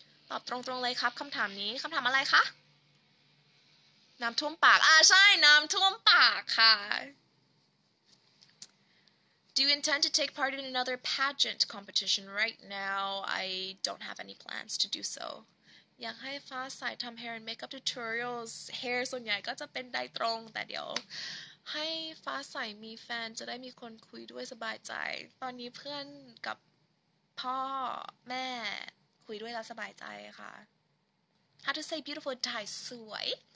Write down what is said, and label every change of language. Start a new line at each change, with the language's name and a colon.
Thai: ตอบตรงๆเลยครับคำถามนี้คำถามอะไรคะน้ำท่วมปากใช่น้ำท่วมปากค่ะ
English: Do you intend to take part in another pageant competition right now? I don't have any plans to do so.
Thai: อยากให้ฟ้าใสทำ
English: hair and makeup tutorials
Thai: hair ส่วนใหญ่ก็จะเป็นได้ตรงแต่เดี๋ยวให้ฟ้าใสมีแฟนจะได้มีคนคุยด้วยสบายใจตอนนี้เพื่อนกับพ่อแม่คุยด้วยแล้วสบายใจค่ะ
English: How to say beautiful in Thai
Thai: สวย